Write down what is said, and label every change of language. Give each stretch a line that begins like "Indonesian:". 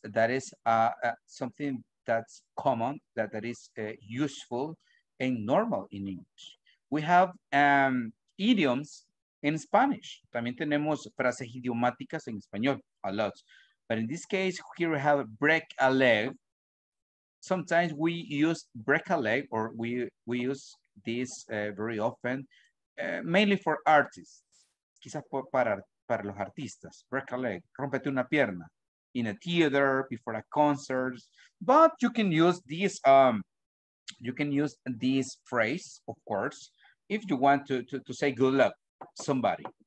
English: That is something that's common, that is useful and normal in English. We have idioms in Spanish.
Spanish: También tenemos frases idiomáticas en español,
English: a lot. But in this case, here we have break a leg. Sometimes we use break a leg, or we use this very often, mainly for artists.
Spanish: Quizás para los artistas,
English: break a leg,
Spanish: rompete una pierna,
English: in a theater, before a concert, but you can use this phrase, of course, if you want to say good luck somebody.